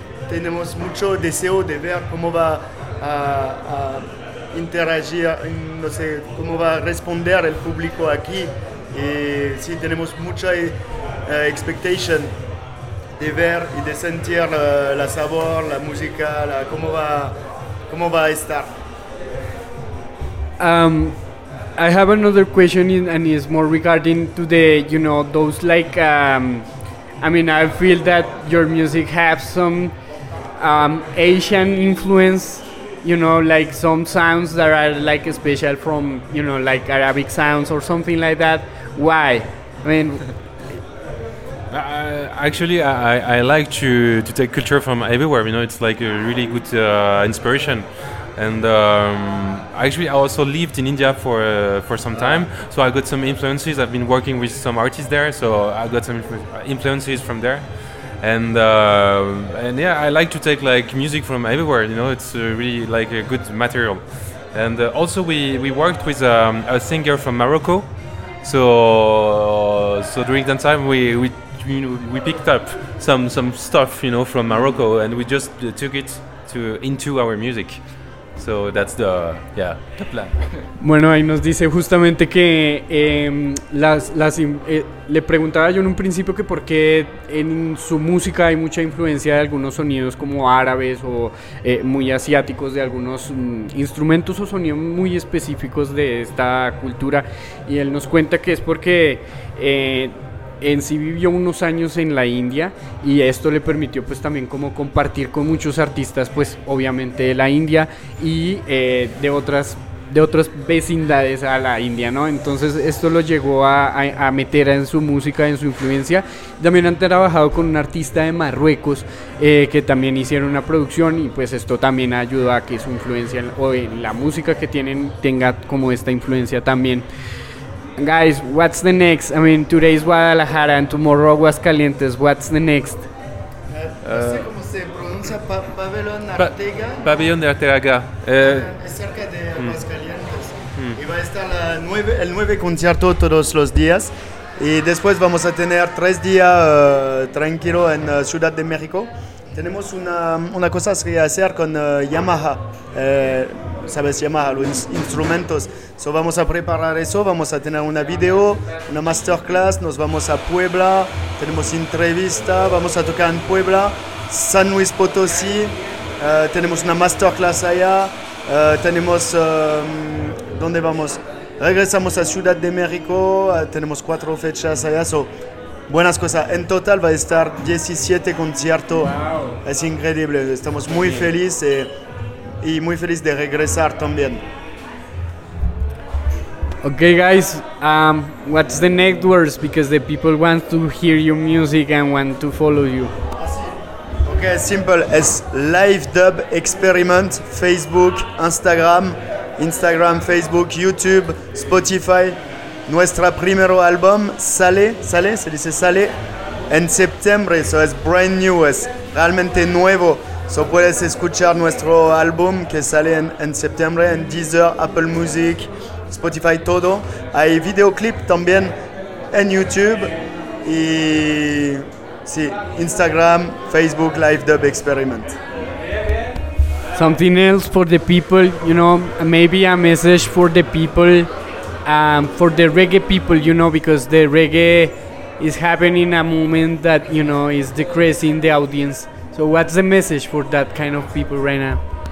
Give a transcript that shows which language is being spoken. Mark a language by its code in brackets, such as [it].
[es] Tenemos mucho deseo de ver cómo va a interagir, no sé, cómo va a responder el público aquí. Y sí, tenemos mucha expectation de ver y de sentir la sabor, la música, cómo va a estar. [en] I have another question, and it's more regarding to the, you know, those, like, I mean, I feel that your music has some Asian influence, you know, like some sounds that are like special from, you know, like Arabic sounds or something like that. Why? I mean, I like to take culture from everywhere. You know, it's like a really good inspiration. And actually, I also lived in India for some time, so I got some influences. I've been working with some artists there, so I got some influences from there. And yeah, I like to take like music from everywhere. You know, it's really like a good material. And also, we worked with a singer from Morocco, so during that time we picked up some stuff, you know, from Morocco, and we just took it into our music. So that's the plan. [es] Bueno, ahí nos dice justamente que le preguntaba yo en un principio que por qué en su música hay mucha influencia de algunos sonidos como árabes o muy asiáticos, de algunos instrumentos o sonidos muy específicos de esta cultura, y él nos cuenta que es porque en sí vivió unos años en la India, y esto le permitió pues también como compartir con muchos artistas, pues obviamente de la India y de otras de otras vecindades a la India, ¿no? Entonces esto lo llegó a meter en su música, en su influencia. También han trabajado con un artista de Marruecos que también hicieron una producción, y pues esto también ayudó a que su influencia o en la música que tienen tenga como esta influencia también. [en] Guys, what's the next? I mean, today is Guadalajara and tomorrow Aguascalientes. What's the next? [es] ¿Cómo se pronuncia Pabellón Arteaga? Pabellón de Arteaga. Es cerca de Aguascalientes. Y va a estar el nueve concierto todos los días. Y después vamos a tener 3 días tranquilo en Ciudad de México. Tenemos una cosa que hacer con Yamaha. ¿Sabes? Yamaha, los instrumentos. So vamos a preparar eso, vamos a tener una video, una masterclass, nos vamos a Puebla, tenemos entrevista, vamos a tocar en Puebla, San Luis Potosí, tenemos una masterclass allá, tenemos, ¿dónde vamos? Regresamos a Ciudad de México, tenemos 4 fechas allá, so, buenas cosas. En total va a estar 17 conciertos, wow. Es increíble, estamos muy felices y muy feliz de regresar también. [en] Okay, guys, what's the next words? Because the people want to hear your music and want to follow you. Okay, simple. It's Live Dub Experiment, Facebook, Instagram, Facebook, YouTube, Spotify. [es] Nuestro primero álbum, Sale, se dice Sale, en septiembre. So [en] it's brand new, [es] es realmente nuevo. So puedes escuchar nuestro álbum que sale en septiembre en Deezer, Apple Music, Spotify, todo. Hay videoclip también en YouTube y sí, Instagram, Facebook, Live Dub Experiment. [en] Something else for the people, you know, maybe a message for the people, for the reggae people, you know, because the reggae is happening a moment that, you know, is decreasing the audience. So what's the message for that kind of people right now?